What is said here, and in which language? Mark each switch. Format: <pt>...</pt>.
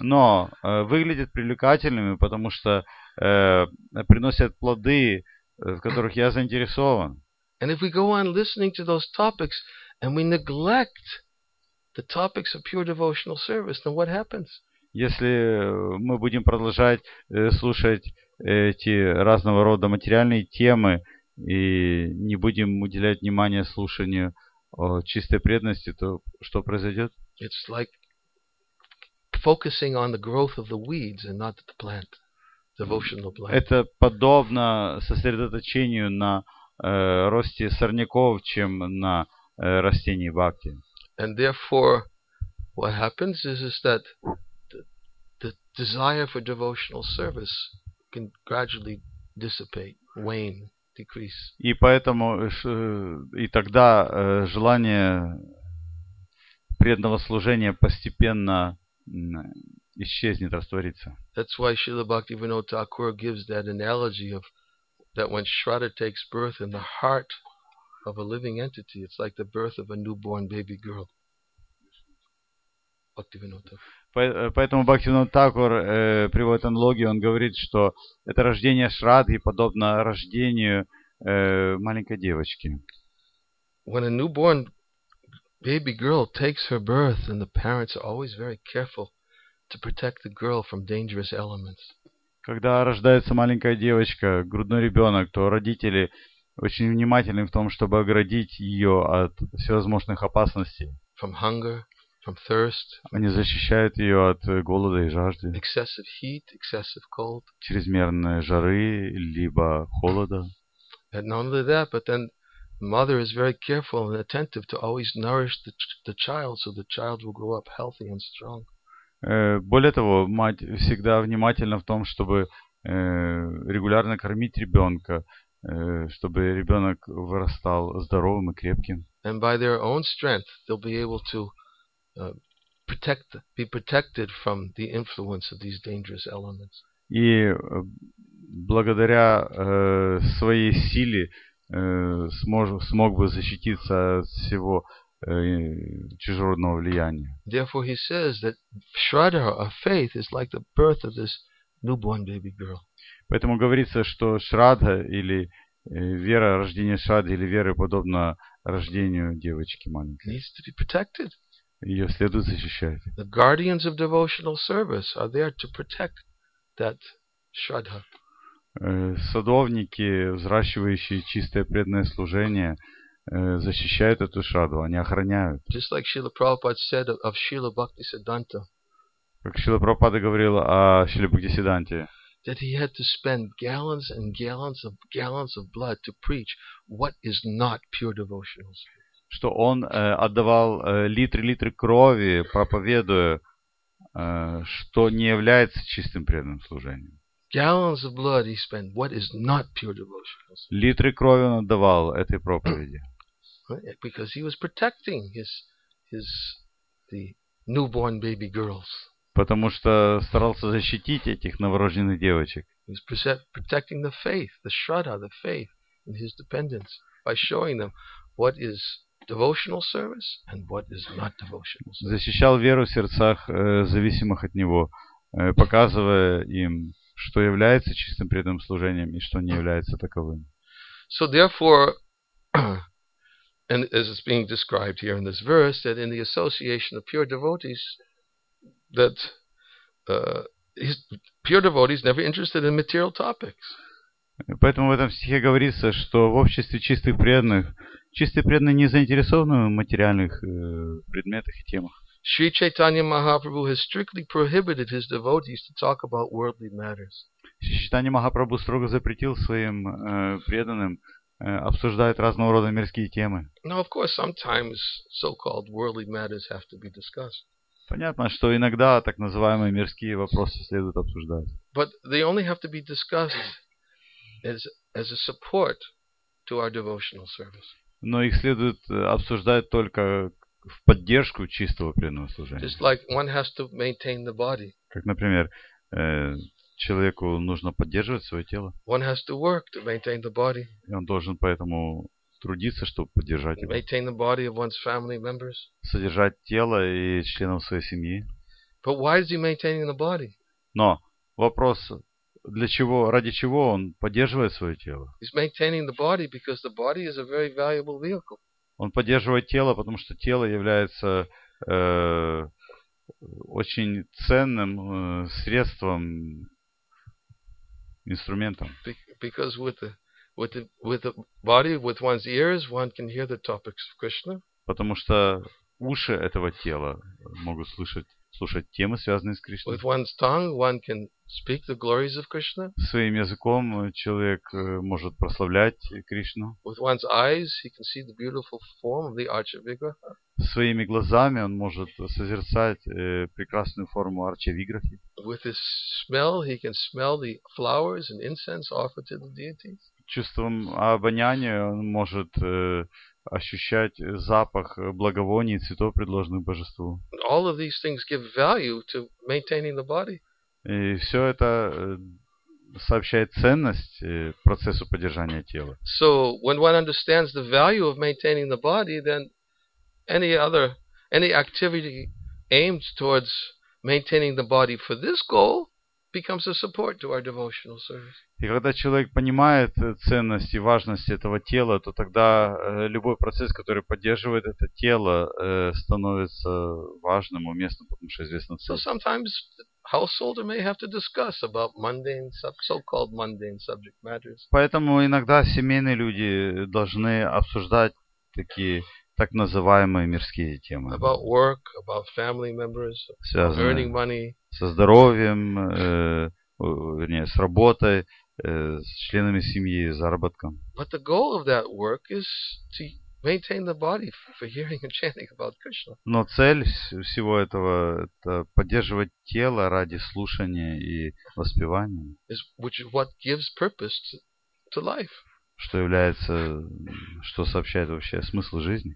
<ru>Но выглядят привлекательными, потому что приносят плоды, в которых я заинтересован.</ru> <en>And if we go on listening to those topics and we neglect the topics of pure devotional service, then what happens?</en> <ru>Если мы будем продолжать слушать эти разного рода материальные темы и не будем уделять внимания слушанию чистой преданности, то что произойдет?</ru> <en>It's like focusing on the growth of the weeds and not the plant. Devotional plant.</en> <ru>Это подобно сосредоточению на росте сорняков, чем на растении бхакти.</ru> <en>And therefore, what happens is that the desire for devotional service can gradually dissipate, wane.</en> <ru>И поэтому и тогда желание преданного служения постепенно исчезнет, растворится.</ru> <en>That's why Śrīla Bhaktivinoda Thakura gives that analogy of that when Shraddha takes birth in the heart of a living entity, it's like the birth of a newborn baby girl.</en> <ru>Поэтому Бхактивинода Тхакур приводит аналогию, он говорит, что это рождение Шрадхи подобно рождению маленькой девочки.</ru> <en>When a newborn baby girl takes her birth, and the parents are always very careful to protect the girl from dangerous elements.</en> <ru>Когда рождается маленькая девочка, грудной ребенок, то родители очень внимательны в том, чтобы оградить ее от всевозможных опасностей.</ru> <en>From hunger, from thirst.</en> <ru>Они защищают ее от голода и жажды.</ru> <en>Excessive heat, excessive cold.</en> <ru>Чрезмерной жары либо холода.</ru> <en>And not only that, but then the mother is very careful and attentive to always nourish the child, so the child will grow up healthy and strong.</en> <ru>Более того, мать всегда внимательна в том, чтобы регулярно кормить ребенка, чтобы ребенок вырастал здоровым и крепким.</ru> <en>And by their own strength, they'll be able to be protected from the influence of these dangerous elements.</en> <ru>И благодаря своей силе смог бы защититься от всего чужеродного влияния.</ru> <en>Therefore, he says that Shraddha of faith is like the birth of this newborn baby girl.</en> <ru>Поэтому говорится, что Шрадха или вера, рождение Шрадхи или вера подобно рождению девочки маленькой.</ru> <en>Needs to be protected.</en> <ru>Ее следует защищать.</ru> <en>The guardians of devotional service are there to protect that Shraddha.</en> <ru>Садовники, взращивающие чистое преданное служение, защищают эту шраду, они охраняют.</ru> <en>Just like Srila Prabhupada said of Srila Bhaktisiddhanta.</en> <ru>Как Srila Prabhupada говорил о Srila Bhaktisiddhanta.</ru> <en>That he had to spend gallons and gallons of blood to preach what is not pure devotional service.</en> <ru>Что он отдавал литры крови, проповедуя, что не является чистым преданным служением.</ru> <en>Gallons of blood he spent. What is not pure devotional service?</en> <ru>Литры крови он отдавал этой проповеди.</ru> <en>Because he was protecting the newborn baby girls.</en> <ru>Потому что старался защитить этих новорожденных девочек.</ru> <en>He was protecting the faith, the shraddha, the faith in his dependence by showing them what is devotional service and what is not devotional service.</en> <ru>Защищал веру в сердцах зависимых от него, показывая им, что является чистым преданным служением и что не является таковым.</ru> <en>So therefore, and as it's being described here in this verse, that in the association of pure devotees, that pure devotees never interested in material topics.</en> <ru>Поэтому в этом стихе говорится, что в обществе чистых преданных, чистые преданные не заинтересованы в материальных предметах и темах.</ru> <en>Sri Chaitanya Mahaprabhu has strictly prohibited his devotees to talk about worldly matters.</en> <ru>Sri Chaitanya Mahaprabhu строго запретил своим преданным обсуждать разного рода мирские темы.</ru> <en>Now, of course, sometimes so-called worldly matters have to be discussed.</en> <ru>Понятно, что иногда так называемые мирские вопросы следует обсуждать.</ru> <en>But they only have to be discussed as a support to our devotional service.</en> <ru>Но их следует обсуждать только в поддержку чистого преданного служения.</ru> <en>Just like one has to maintain the body.</en> <ru>Как, например, человеку нужно поддерживать свое тело.</ru> <en>One has to work to maintain the body.</en> <ru>И он должен поэтому трудиться, чтобы поддержать его.</ru> <en>Maintain the body of one's family members.</en> <ru>Содержать тело и членов своей семьи.</ru> <en>But why is he maintaining the body?</en> <ru>Но вопрос, для чего, ради чего он поддерживает свое тело?</ru> <en>He's maintaining the body because the body is a very valuable vehicle.</en> <ru>Он поддерживает тело, потому что тело является очень ценным средством, инструментом.</ru> <en>Because with the body, with one's ears, one can hear the topics of Krishna.</en> <ru>Потому что уши этого тела могут слушать темы, связанные с Кришной.</ru> <en>With one's tongue, one can speak the glories of Krishna.</en> <ru>Своим языком человек может прославлять Кришну.</ru> <en>With one's eyes, he can see the beautiful form of the Archa-Vigraha.</en> <ru>Своими глазами он может созерцать прекрасную форму Арчавиграхи.</ru> <en>With his smell, he can smell the flowers and incense offered to the deities.</en> <ru>Чувством обоняния он может ощущать запах благовоний и цветов, предложенных божеству.</ru> <en>All of these things give value to maintaining the body.</en> <ru>И все это сообщает ценность процессу поддержания тела.</ru> <en>So when one understands the value of maintaining the body, then any activity aimed towards maintaining the body for this goal becomes a support to our devotional service.</en> <ru>И когда человек понимает ценность и важность этого тела, то тогда любой процесс, который поддерживает это тело, становится важным, уместным, потому что известно цель.</ru> <en>So sometimes householder may have to discuss about mundane, so-called mundane subject matters.</en> <ru>Поэтому иногда семейные люди должны обсуждать такие так называемые мирские темы.</ru> <en>About work, about family members,</en> <ru>связанные</ru> <en>earning money.</en> <ru>Со здоровьем, вернее, с работой, с членами семьи, с заработком.</ru> <en>But the goal of that work is to maintain the body for hearing and chanting about Krishna.</en> <ru>Но цель всего этого – это поддерживать тело ради слушания и воспевания.</ru> <en>Which is what gives purpose to life.</en> <ru>Что является, что сообщает вообще смысл жизни.</ru>